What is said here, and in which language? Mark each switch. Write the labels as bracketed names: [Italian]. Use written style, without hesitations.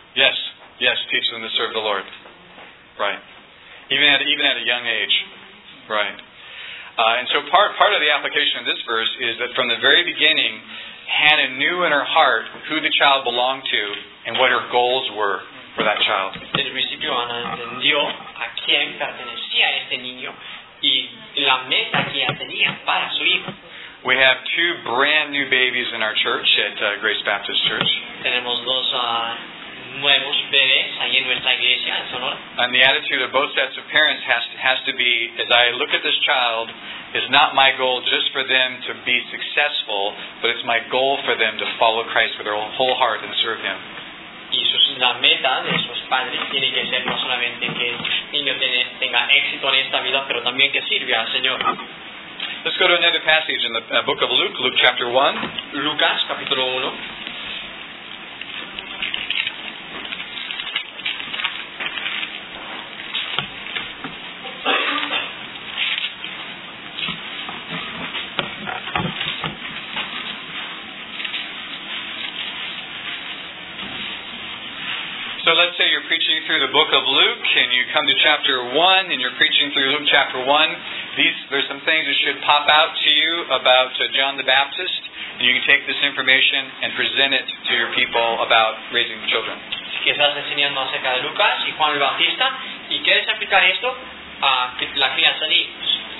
[English] Yes, yes, teach them to serve the Lord. Right. Even at a young age. Right. And so part of the application of this verse is that from the very beginning, Hannah knew in her heart who the child belonged to and what her goals were for that child. [Spanish] Desde el principio Ana entendió a quién pertenecía este niño y la meta que ella tenía para su hijo. [English] We have two brand new babies in our church at Grace Baptist Church. [Spanish] Tenemos dos nuevos bebés ahí en nuestra iglesia en Sonora. [English] And the attitude of both sets of parents has to be, as I look at this child, it's not my goal just for them to be successful, but it's my goal for them to follow Christ with their whole heart and serve Him. [Spanish] Y eso es la meta de esos padres, tiene que ser no solamente que el niño tenga éxito en esta vida, pero también que sirva al Señor. [English] Let's go to another passage in the book of Luke, Luke chapter 1. [Spanish] Lucas, capítulo 1. [English] So let's say you're preaching through the book of Luke, and you come to chapter 1, and you're preaching through Luke chapter 1. There's some things that should pop out to you about John the Baptist, and you can take this information and present it to your people about raising children. [Spanish] Que estás enseñando acerca de Lucas y Juan el Bautista, y quieres aplicar esto a la crianza de hijos.